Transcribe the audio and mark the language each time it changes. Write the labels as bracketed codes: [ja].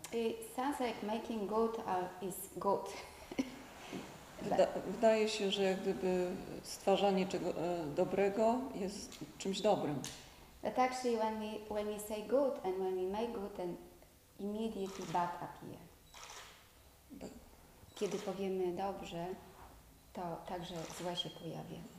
[en] It sounds like making good is good. [pl] Wydaje się, że jak gdyby stwarzanie czego dobrego jest czymś dobrym. [en] But actually when we say good and when we make good, then immediately bad appear. [pl] Kiedy powiemy dobrze, to także złe się pojawia.